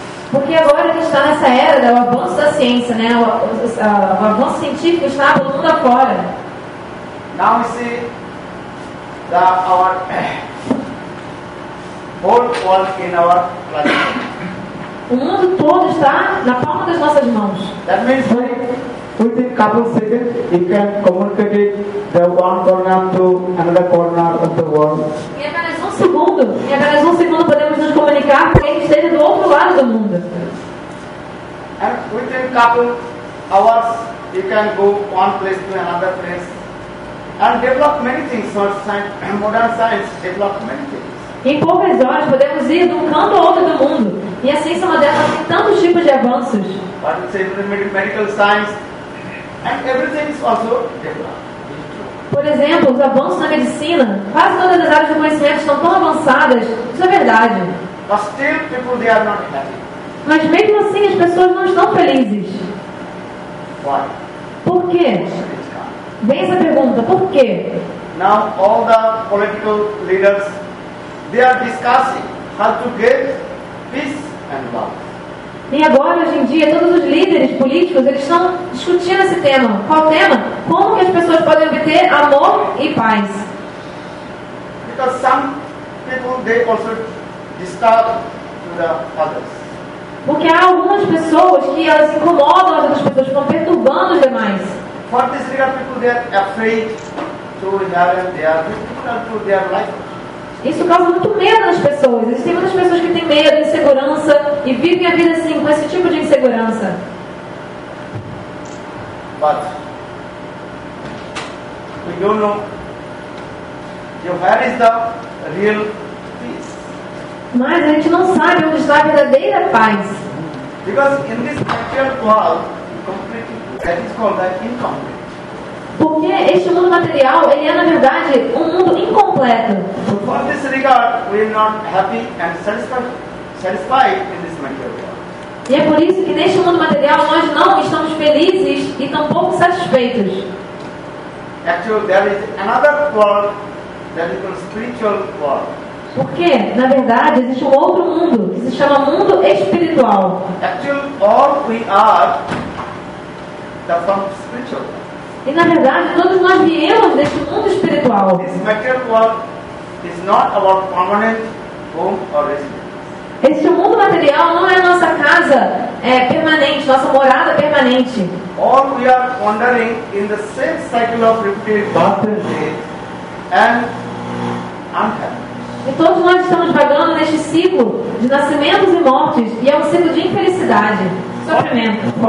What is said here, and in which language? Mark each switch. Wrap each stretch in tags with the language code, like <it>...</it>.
<pt>Porque agora que está nessa era do avanço da ciência, né? O avanço científico está pelo mundo afora.</pt> <en>Now we see that our whole world in our planet.</en> <pt>O mundo todo está na palma das nossas mãos.</pt> <en>That means we, within a couple of seconds, you can communicate the one corner to another corner of the world.</en> <pt>Em apenas um segundo podemos nos comunicar com quem esteja do outro lado do mundo.</pt> <en>And within a couple hours, you can go one place to another place and develop many things. Modern science develop many things.</en> <pt>Em poucas horas podemos ir de um canto ao outro do mundo. E a ciência moderna tem tantos tipos de avanços.</pt> <en>But it's even medical science and everything is also developed.</en> <pt>Por exemplo, os avanços na medicina, quase todas as áreas do conhecimento estão tão avançadas. Isso é verdade.</pt> <en>But still, people, they are not happy.</en> <pt>Mas mesmo assim as pessoas não estão felizes.</pt> <en>Why?</en> <pt>Por quê? Vem essa pergunta, por quê?</pt> <en>Now all the political leaders, they are discussing how to get peace and love.</en> <pt>E agora, hoje em dia, todos os líderes políticos, eles estão discutindo esse tema. Qual tema? Como que as pessoas podem obter amor e paz?</pt> <en>Because some people, they also disturb to the others.</en> <pt>Porque há algumas pessoas que elas incomodam as outras pessoas, estão perturbando os demais.</pt> <en>For this reason, people, they are afraid to have their difficulty to their life.</en> <pt>Isso causa muito medo nas pessoas. Existem muitas pessoas que têm medo, insegurança e vivem a vida assim, com esse tipo de insegurança.</pt> <en>But we don't know where is the real.</en> <pt>Mas a gente não sabe onde está a verdadeira paz.</pt> <en>Because in this material world, completely, that is called the incomplete.</en> <pt>Porque este mundo material, ele é na verdade um mundo incompleto.</pt> <en>So for this regard, we are not happy and satisfied in this material world.</en> <pt>E é por isso que neste mundo material nós não estamos felizes e tampouco satisfeitos.</pt> <en>Actually, there is another world, that is called spiritual world.</en> <pt>Porque, na verdade, existe um outro mundo que se chama mundo espiritual.</pt> <en>Actually, all we are the spiritual.</en> <pt>E na verdade, todos nós viemos deste mundo espiritual.</pt> <en>This material world is not our permanent home or residence.</en> <pt>Este mundo material não é a nossa casa permanente, nossa morada permanente.</pt> <en>All we are wandering in the same cycle of repeated birth and unhappiness.</en> <pt>E todos nós estamos vagando neste ciclo de nascimentos e mortes, e é um ciclo de infelicidade, sofrimento.</pt>